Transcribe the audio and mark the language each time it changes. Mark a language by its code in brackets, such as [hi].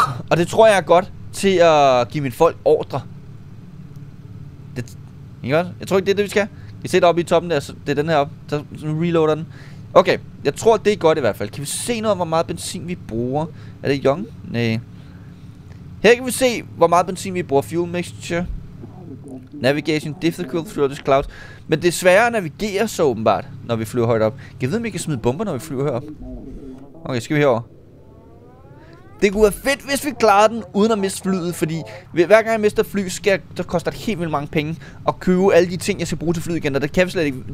[da] Og det tror jeg er godt til at give mine folk ordre. Det, ikke godt? Jeg tror ikke, det er det, vi skal. Vi sætter op i toppen der, så det er den her op. Så reloader den. Okay, jeg tror, det er godt i hvert fald. Kan vi se noget om, hvor meget benzin vi bruger? Er det Young? Næh. Her kan vi se, hvor meget benzin vi bruger. [en] Fuel mixture. Navigation difficult through this cloud. [da] Men det er sværere at navigere så åbenbart, når vi flyver højt op. Kan vi vide, om vi kan smide bomber, når vi flyver herop? Okay, skal vi herover? Det kunne være fedt, hvis vi klarede den uden at miste flyet, fordi hver gang jeg mister fly, så koster det helt vildt mange penge at købe alle de ting, jeg skal bruge til flyet igen. Og det kan vi slet ikke.